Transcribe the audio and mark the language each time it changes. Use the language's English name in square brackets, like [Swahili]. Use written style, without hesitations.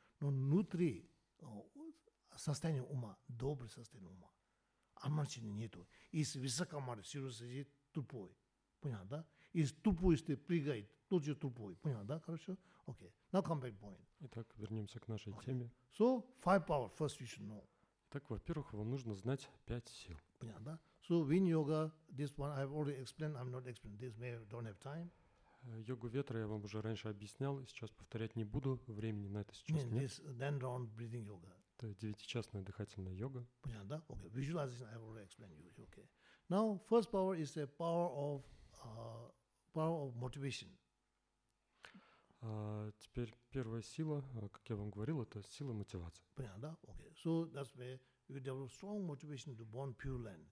[Russian] Но внутри состояние ума, доброе состояние ума, амарчины нету. Если высокомар, серьезно сидит, тупой. Понял, да? Если тупой, если прыгает, тот же тупой. Понял, да? Хорошо? Окей. [English] Now come back point. [Russian] Итак, вернемся к нашей теме. [English] So, five power, first you should know. [Russian] Так, во-первых, вам нужно знать пять сил. Понял, да? [English] So, wind yoga, this one I've already explained, I'm not explaining this, maybe don't have time. [Russian] Йогу ветра я вам уже раньше объяснял, сейчас повторять не буду, времени на это сейчас нет. [English] This dendron breathing yoga. [Russian] Это девятичастная дыхательная йога. Понятно, да? [English] Okay. Visualization I already explained you. Okay. Now, first power is the power of motivation. [Russian] Теперь первая сила, как я вам говорил, это сила мотивации. Понятно, да? [English] Okay. So that's where you develop strong motivation to burn pure land.